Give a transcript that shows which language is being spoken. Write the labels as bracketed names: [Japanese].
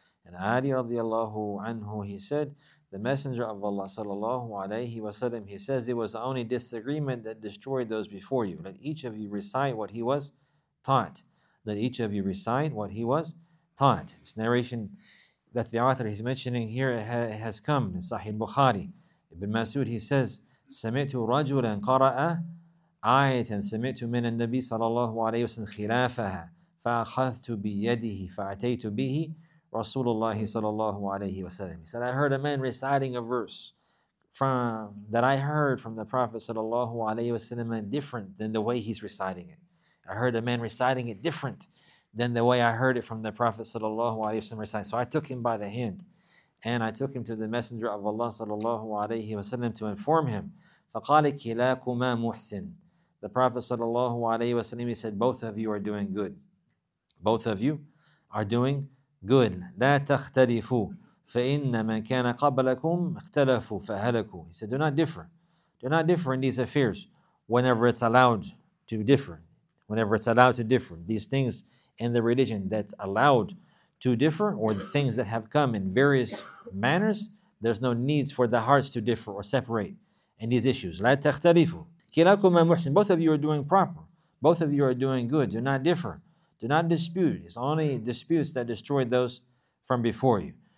[English] And Ali radiallahu anhu, he said, the Messenger of Allah sallallahu alayhi wa sallam, he says, it was the only disagreement that destroyed those before you. Let each of you recite what he was taught. This narration that the author is mentioning here has come in Sahih Bukhari. Ibn Mas'ud, he says, [Arabic] سَمِعْتُ رَجُلًا قَرَأَ آيةً سَمِعْتُ مِنَ النَّبِي صَلَى اللَّهُ عَلَيْهِ وَسَلَّمَ خِلَافَهَا فَأَخَذْتُ بِيَدِهِ فَأَتَيْتُ بِهِ رَسُولُ اللَّهِ صَلَى اللَّهُ عَلَيْهِ وَسَلَّمَ. [English] He said, I heard a man reciting a verse from the Prophet صلى الله عليه وسلم different than the way he's reciting it. I heard a man reciting it different than the way I heard it from the Prophet صلى الله عليه وسلم reciting. So I took him by the hand and I took him to the Messenger of Allah صلى الله عليه وسلم to inform him. [Arabic] فَقَالَ كِلَاكُمَا مُحْسِنٌ. [English] The Prophet sallallahu alayhi wa sallam, he said, both of you are doing good. Both of you are doing good. [Arabic] لَا تَخْتَلِفُوا فَإِنَّ مَنْ كَانَ قَبْلَكُمْ اخْتَلَفُوا فَهَلَكُوا. [English] He said, do not differ. Do not differ in these affairs whenever it's allowed to differ. Whenever it's allowed to differ. These things in the religion that's allowed to differ or the things that have come in various manners, there's no need for the hearts to differ or separate. And these issues, [Arabic] لا تختلفوا كلاكما محسن. [English] Both of you are doing proper. Both of you are doing good. Do not differ. Do not dispute. It's only disputes that destroyed those from before you.